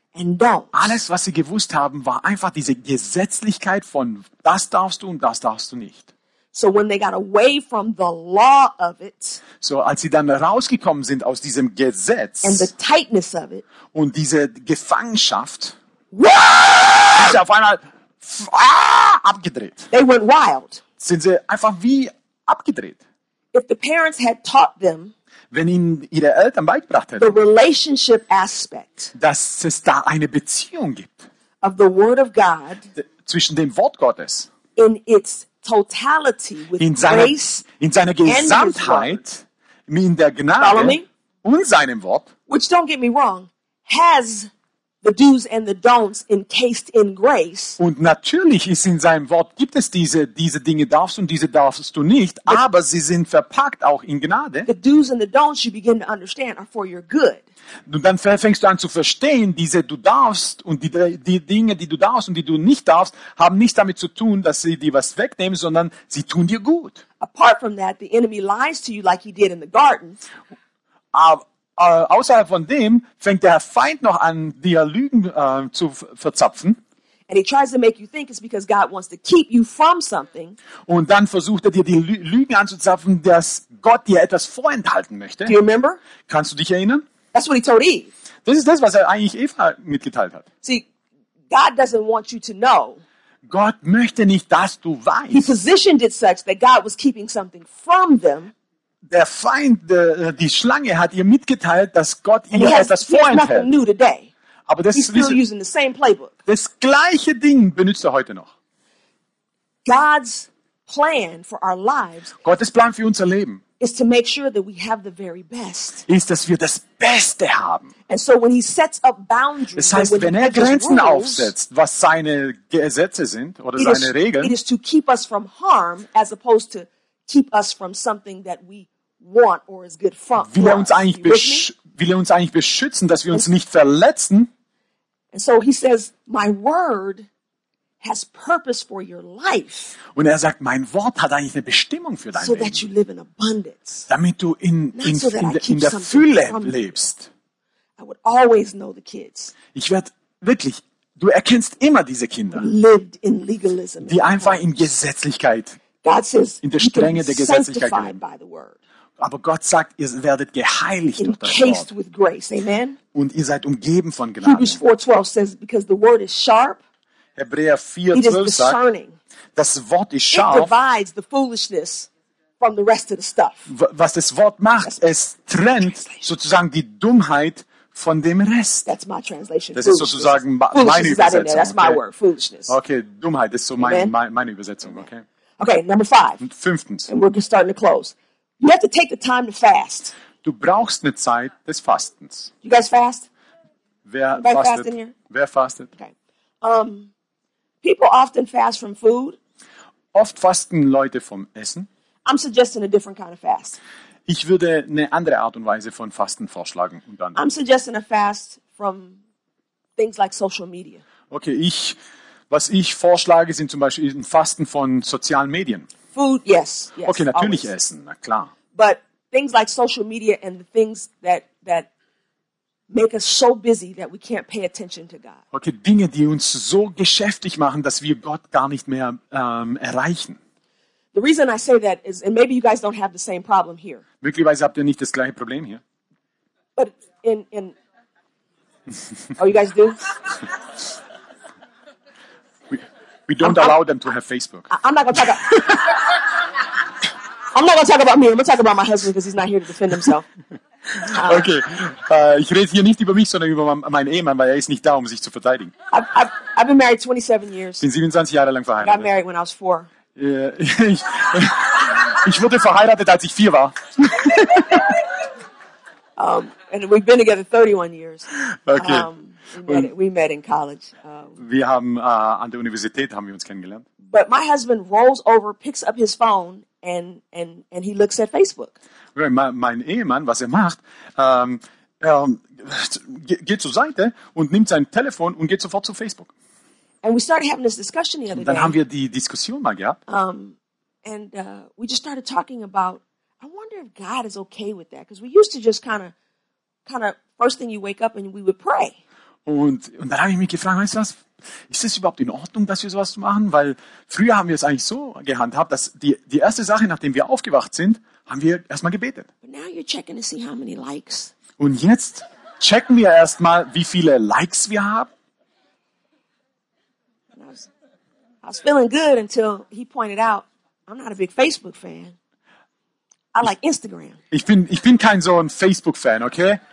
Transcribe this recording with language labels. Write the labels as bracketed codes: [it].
[de] Alles, was sie gewusst haben, war einfach diese Gesetzlichkeit von das darfst du und das darfst du nicht. [en] So when they got away from the law of it, [de] so als sie dann rausgekommen sind aus diesem Gesetz [en] and the tightness of it, [de] und diese Gefangenschaft, sind sie auf einmal abgedreht. [en] They went wild. [de] Sind sie einfach wie abgedreht. [en] If the parents had taught them, [de] wenn ihnen ihre Eltern beigebracht hätten, [en] the relationship aspect, [de] dass es da eine Beziehung gibt [en] of the word of God, [de] zwischen dem Wort Gottes [en] in, its totality with [de] in, seiner, [en] grace [de] in seiner Gesamtheit, [en] and his word, [de] in der Gnade und seinem Wort, [en] which don't get me wrong, has the do's and the don'ts encased in grace. [de] Und natürlich ist in seinem Wort gibt es diese Dinge darfst und diese darfst du nicht, aber sie sind verpackt auch in Gnade. [en] The do's and the don'ts you begin to understand are for your good. [de] Und dann fängst du an zu verstehen, diese du darfst und die Dinge, die du darfst und die du nicht darfst, haben nichts damit zu tun, dass sie dir was wegnehmen, sondern sie tun dir gut. [en] Apart from that, the enemy lies to you like he did in the garden. [de] Außerhalb von dem fängt der Feind noch an, dir Lügen zu verzapfen. [en] And he tries to make you think it's because God wants to keep you from something. [de] Und dann versucht dir die Lügen anzuzapfen, dass Gott dir etwas vorenthalten möchte. [en] Do you remember? [de] Kannst du dich erinnern? [en] That's what he told Eve. [de] Das ist das, was eigentlich Eva mitgeteilt hat. [en] See, God doesn't want you to know. [de] Gott möchte nicht, dass du weißt. [en] He positioned it such that God was keeping something from them. [de] Der Feind, die Schlange hat ihr mitgeteilt, dass Gott ihr etwas vorenthält. Aber das gleiche Ding benutzt er heute noch. [en] God's plan for our lives. [de] Gottes Plan für unser Leben. [en] Is to make sure that we have the very best. [de] Ist, dass wir das Beste haben. [en] And so when he sets up boundaries, [de] das heißt, wenn er Grenzen aufsetzt, was seine Gesetze sind oder seine Regeln, [en] it is to keep us from harm as opposed to keep us from something that we want or is good for. [de] Will er uns eigentlich beschützen, dass wir uns nicht verletzen? [en] And so he says, my word has purpose for your life. [de] Und er sagt, mein Wort hat eigentlich eine Bestimmung für dein so Leben. [en] That you live in abundance. [de] Damit du in der Fülle lebst. [en] I would always know the kids. [de] Ich werde wirklich, du erkennst immer diese Kinder, [en] lived in legalism, [de] die einfach in Gesetzlichkeit, [en] God says, [de] in der Strenge der Gesetzlichkeit leben. [en] By the word. [de] Aber Gott sagt, ihr werdet geheiligt [en] encased [de] durch das Wort. [en] With grace. Amen? [de] Und ihr seid umgeben von Gnade. [en] Hebrews 4:12 says, because the word is sharp. [de] Hebräer 4:12 sagt, das Wort ist scharf. [en] It divides the foolishness from the rest of the stuff. [de] Was das Wort macht, es trennt sozusagen die Dummheit von dem Rest. [en] That's my translation. [de] Das ist sozusagen meine Übersetzung. [en] That's my word, foolishness. [de] Okay, Dummheit ist so meine Übersetzung, okay? [en] Okay, number 5. [de] Fünftens. [en] And we're just starting to close. You have to take the time to fast. [de] Du brauchst eine Zeit des Fastens. [en] You guys fast? [de] Wer fastet? Wer fastet? Okay. [en] People often fast from food. [de] Oft fasten Leute vom Essen. [en] I'm suggesting a different kind of fast. [de] Ich würde eine andere Art und Weise von Fasten vorschlagen und dann. [en] I'm suggesting a fast from things like social media. [de] Okay, was ich vorschlage, sind zum Beispiel ein Fasten von sozialen Medien. [en] Food, yes. [de] Okay, natürlich [en] always. [de] Essen, na klar. [en] But things like social media and the things that make us so busy that we can't pay attention to God. [de] Okay, Dinge, die uns so geschäftig machen, dass wir Gott gar nicht mehr erreichen. [en] The reason I say that is, and maybe you guys don't have the same problem here. [de] Möglicherweise habt ihr nicht das gleiche Problem hier. [en] But in oh, you guys do? We don't allow them to have Facebook. I'm not going to talk about me. I'm going to talk about my husband because he's not here to defend himself. [de] Okay, ich rede hier nicht über mich, sondern über meinen Ehemann, weil er ist nicht da, um sich zu verteidigen. [en] I've been married 27 years. [de] Bin 27 Jahre lang verheiratet. [en] I got married when I was 4. [de] Ich wurde verheiratet, als ich 4 war. [en] And we've been together 31 years. Okay. We met in college. [de] Wir haben an der Universität haben wir uns kennengelernt. [en] But my husband rolls over, picks up his phone. And he looks at Facebook. [de] Okay, mein Ehemann, was er macht, geht zur Seite und nimmt sein Telefon und geht sofort zu Facebook. [en] And we started having this discussion the other day. [de] Dann haben wir die Diskussion mal gehabt. [en] We just started talking about, I wonder if God is okay with that, because we used to just kind of first thing you wake up and we would pray. [de] Und dann habe ich mich gefragt, weißt du was? Ist es überhaupt in Ordnung, dass wir sowas machen? Weil früher haben wir es eigentlich so gehandhabt, dass die erste Sache, nachdem wir aufgewacht sind, haben wir erstmal gebetet. [en] But now you're checking to see how many likes. [de] Und jetzt checken wir erstmal, wie viele Likes wir haben. [en] I was feeling good until he pointed out, I'm not a big Facebook fan. I like Instagram. [de] Ich bin kein so ein Facebook-Fan, okay?